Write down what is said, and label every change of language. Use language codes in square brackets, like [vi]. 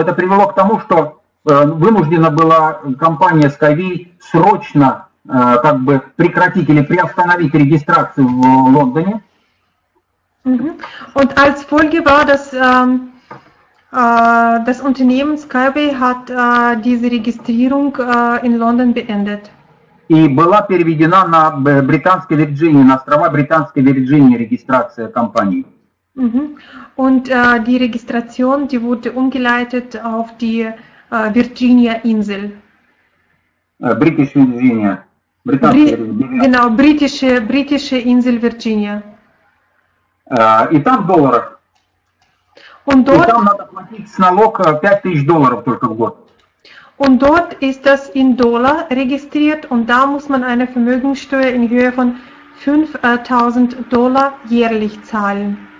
[ru] Это привело к тому, что вынуждена была компания SkyWay срочно как бы прекратить или приостановить регистрацию в Лондоне. [de] Und als Folge war das das Unternehmen SkyWay hat diese Registrierung in London beendet. [ru] И была переведена на Британской Вирджинии, на острова Британской Вирджинии регистрация компании. [de] Und die Registration, die wurde umgeleitet auf die Virginia-Insel. [en] British Virginia. [de] Genau, britische Insel Virginia. [ru] И там в долларах. [de] Und dort, [ru] и там надо платить с налог 5 тысяч долларов только в год. [de] Und dort ist das in Dollar registriert und da muss man eine Vermögenssteuer in Höhe von 5000 Dollar jährlich zahlen.